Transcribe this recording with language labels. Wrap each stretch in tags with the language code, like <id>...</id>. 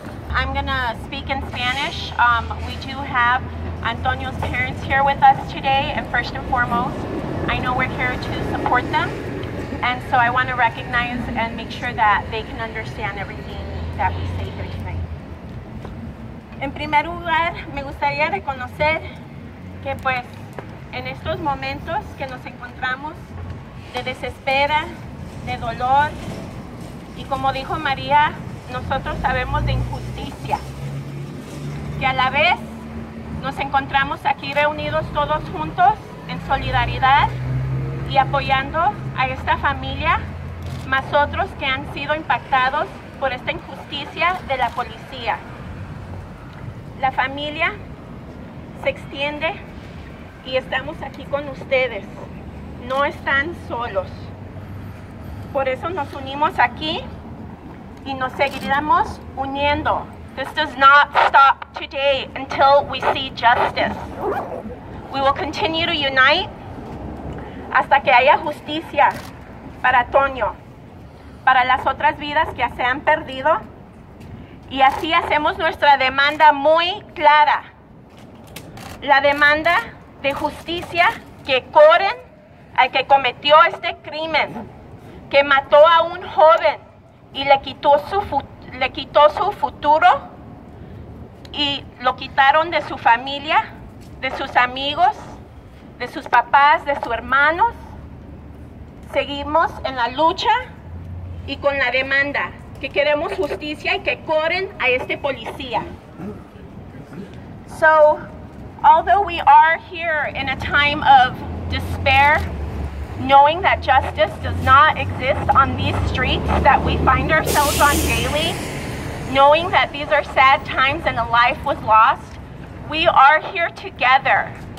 <en>I'm gonna speak in Spanish. We do have Antonio's parents here with us today, and first and foremost, I know we're here to support them. And so I want to recognize and make sure that they can understand everything that we say here tonight.</en> <es>En primer lugar, me gustaría reconocer que pues en estos momentos que nos encontramos de desespera, de dolor, y como dijo María, nosotros sabemos de injusticia, que a la vez nos encontramos aquí reunidos todos juntos en solidaridad y apoyando a esta familia, más otros que han sido impactados por esta injusticia de la policía. La familia se extiende y estamos aquí con ustedes. No están solos. Por eso nos unimos aquí y nos seguiremos uniendo.</es> <en>This does not stop today until we see justice. We will continue to unite</en> <es>hasta que haya justicia para Antonio, para las otras vidas que se han perdido. Y así hacemos nuestra demanda muy clara. La demanda de justicia que corren al que cometió este crimen, que mató a un joven y le quitó su futuro y lo quitaron de su familia, de sus amigos, de sus papás, de sus hermanos. Seguimos en la lucha y con la demanda, que queremos justicia y que corren a este policía.</es> <en>So, although we are here in a time of despair, knowing that justice does not exist on these streets that we find ourselves on daily, knowing that these are sad times and a life was lost, we are here together.</en>